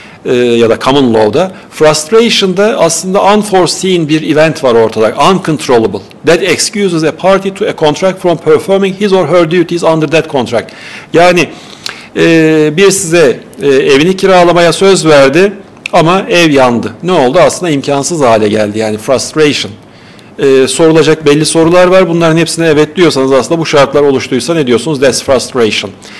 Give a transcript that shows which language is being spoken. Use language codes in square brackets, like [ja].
[tr] ya da common law'da frustration da aslında unforeseen bir event var ortada. [en] Uncontrollable. That excuses a party to a contract from performing his or her duties under that contract. [tr] Yani bir size evini kiralamaya söz verdi ama ev yandı. Ne oldu? Aslında imkansız hale geldi. Yani frustration. Sorulacak belli sorular var. Bunların hepsine evet diyorsanız aslında bu şartlar oluştuysa ne diyorsunuz? [en] That's frustration.